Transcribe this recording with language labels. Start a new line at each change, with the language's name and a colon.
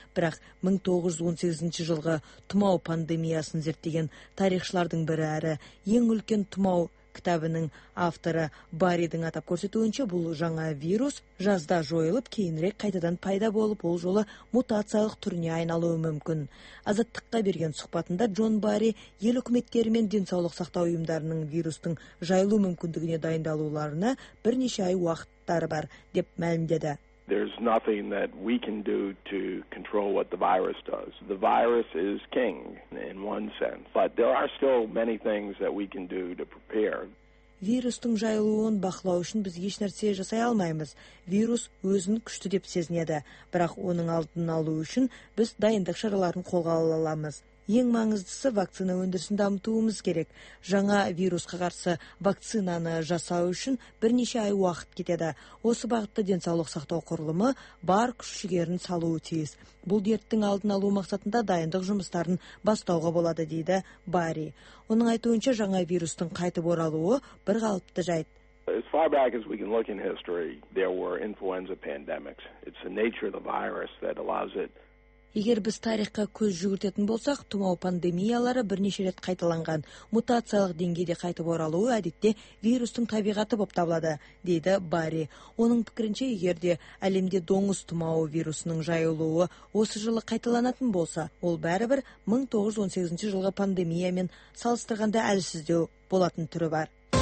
Kazakh: Бірақ 1918 жылғы тұмау пандемиясын зерттеген тарихшылардың бірі әрі ең үлкен тұмау кітабының авторы Барридің атап көрсетуінше, бұл жаңа вирус жазда жойылып, кейінірек қайтадан пайда болып, ол жолы мутациялық түріне айналуы мүмкін. Азаттыққа берген сұхбатында Джон Барри ел үкіметтері мен денсаулық сақтау ұйымдарының вирустың жайылу мүмкіндігіне дайындалуларына бірнеше ай уақыттары бар деп мәлімдеді.
English: There's nothing that we can do to control what the virus does. The virus is king in one sense, but there are still many things that we can do to prepare.
Kazakh: вирустың жайылуын бақылау үшін біз еш нәрсе жасай алмаймыз. Вирус өзін күшті деп сезінеді, бірақ оның алдын алу үшін біз дайындық шараларын қолға аламыз. Ең маңыздысы вакцина өндірісін дамытуымыз керек. Жаңа вирусқа қарсы вакцинаны жасау үшін бірнеше ай уақыт кетеді. Осы бағытта денсаулық сақтау құрылымы бар күш-жігерін салуы тиіс. Бұл дерттің алдын алу мақсатында дайындық жұмыстарын бастауға болады, дейді Барри. Оның айтуынша, жаңа вирустың қайтып оралуы бір қалыпты жайт.
English: As far back as we can look in history, there were influenza pandemics. It's the nature of the virus that allows it.
Kazakh: Егер біз тарихқа көз жүгіртетін болсақ, тұмау пандемиялары бірнеше рет қайталанған. Мутациялық деңгейде қайтып оралуы әдетте вирустың табиғаты болып табылады, дейді Барри. Оның пікірінше, егер де әлемде доңыз тұмауы вирусының жайылуы осы жылы қайталанатын болса, ол бәрібір 1918 жылғы пандемиямен салыстырғанда әлсіздеу болатын түрі бар.